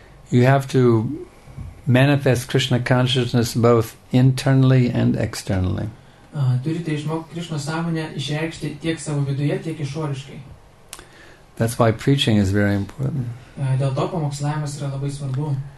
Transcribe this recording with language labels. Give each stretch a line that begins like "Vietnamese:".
English: You have to manifest Krishna consciousness both internally and externally.
Lithuanian: Turite išmokti Krishna sąmonę išreikšti tiek savo viduje, tiek išoriškai.
English: That's why preaching is very important.
Lithuanian: Dėl to pamokslavimas yra labai svarbu.